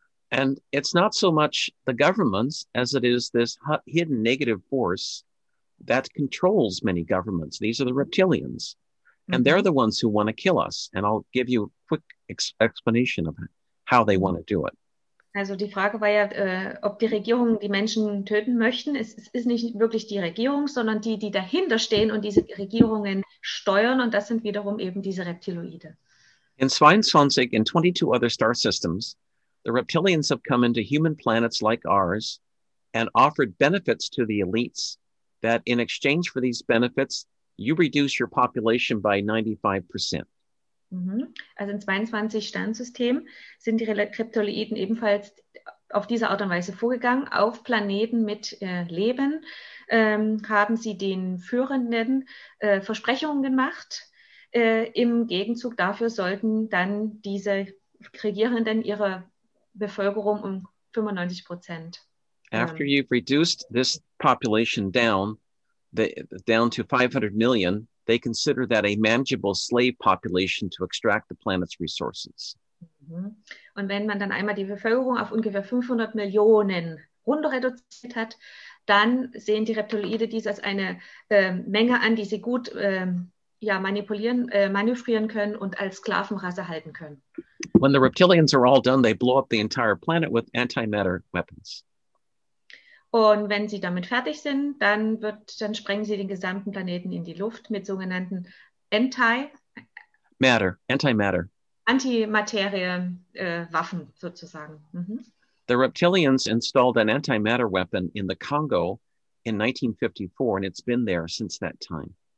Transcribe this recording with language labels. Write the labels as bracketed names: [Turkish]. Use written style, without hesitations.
[English] And it's not so much the governments as it is this hidden negative force that controls many governments. These are the reptilians. And they're the ones who want to kill us. And I'll give you a quick explanation of how they want to do it. [German] Also die Frage war ja, ob die Regierungen die Menschen töten möchten. Es ist nicht wirklich die Regierung, sondern die, die dahinter stehen und diese Regierungen steuern. Und das sind wiederum eben diese Reptiloide. [English] In 22, in 22 other star systems, the reptilians have come into human planets like ours and offered benefits to the elites that in exchange for these benefits, you reduce your population by 95%. [German] Also in 22 Sternsystemen sind die Reptiloiden ebenfalls auf diese Art und Weise vorgegangen. Auf Planeten mit Leben haben sie den Führenden Versprechungen gemacht. Im Gegenzug dafür sollten dann diese Regierenden ihre Bevölkerung um 95%. [English] After you've reduced this population down, down to 500 million, they consider that a manageable slave population to extract the planet's resources. [German] Und wenn man dann einmal die Bevölkerung auf ungefähr 500 Millionen runter reduziert hat, dann sehen die Reptiloide dies als eine Menge an, die sie gut manipulieren, manövrieren können und als Sklavenrasse halten können. [English] When the reptilians are all done, they blow up the entire planet with antimatter weapons. [German] Und wenn sie damit fertig sind, dann sprengen sie den gesamten Planeten in die Luft mit sogenannten Antimaterie-Waffen sozusagen. [English] The reptilians installed an antimatter weapon in the Congo in 1954 and it's been there since that time.